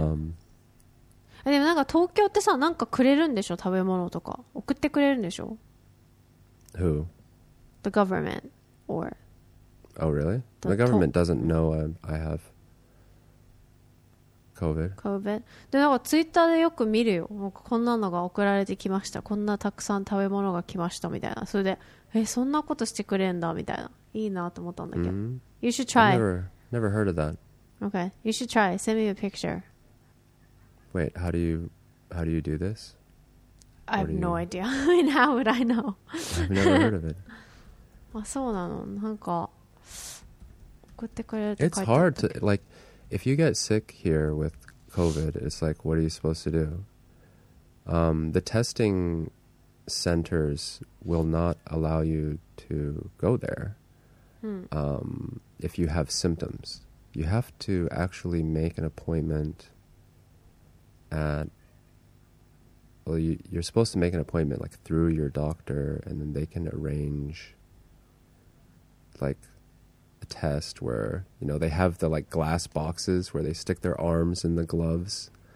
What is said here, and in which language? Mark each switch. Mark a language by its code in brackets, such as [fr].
[ja] でもなんか東京ってさ、なんかくれるんでしょ、食べ物とか。送ってくれるんでしょ。 [en] Who? The government. Or. Oh, really? The government doesn't know I have COVID. COVID. [ja] で、なんかツイッターでよく見るよ。なんかこんなのが送られてきました。こんなたくさん食べ物が来ましたみたいな。それで、え、そんなことしてくれんだみたいな。いいなと思ったんだけど。 Mm-hmm. [en] You should try. I never heard of that. Okay. You should try. Send me a picture. Wait, how do you do this? I have no idea. I mean, how would I know? I've never heard of it. [ja] あ、そうなの。なんか送ってくれると書いてあったけど。 [en] It's hard to, like, if you get sick here with COVID, it's like, what are you supposed to do? The testing centers will not allow you to go there. If you have symptoms, you have to actually make an appointment at, well, you're supposed to make an appointment like through your doctor, and then they can arrange like a test where, you know, they have the like glass boxes where they stick their arms in the gloves.